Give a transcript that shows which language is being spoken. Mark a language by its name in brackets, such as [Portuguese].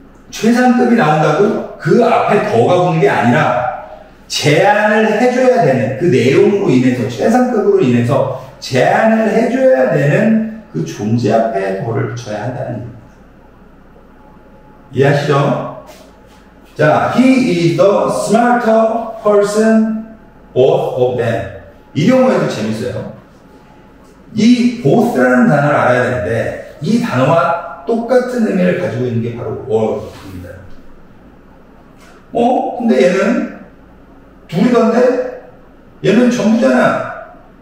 [Korean] 최상급이 나온다고 그 앞에 더가 붙는 게 아니라 제안을 해줘야 되는 그 내용으로 인해서 최상급으로 인해서 제안을 해줘야 되는 그 존재 앞에 더를 붙여야 한다는 겁니다. 이해하시죠? [English] 자, he is the smarter person both of them. [Korean] 이 경우에도 재밌어요. 이 both라는 단어를 알아야 되는데 이 단어와 똑같은 의미를 가지고 있는 게 바로 all입니다. 어? 근데 얘는 둘이던데? 얘는 전부잖아.